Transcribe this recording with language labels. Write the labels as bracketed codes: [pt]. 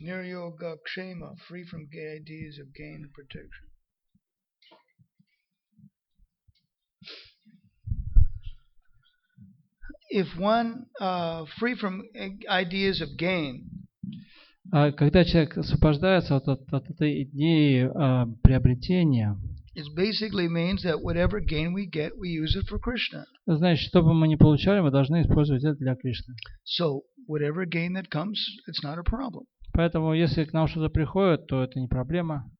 [en] Niryoga Kshema, free from gay ideas of gain and protection. If one free from ideas of gain, [ru] когда человек освобождается от этой идеи приобретения, [en] it basically means that whatever gain we get, we use it for Krishna. [ru] Значит, что бы мы ни получали, мы должны использовать это для Кришны. [en] So whatever gain that comes, it's not a problem. [ru] Поэтому если к нам что-то приходит, то это не проблема.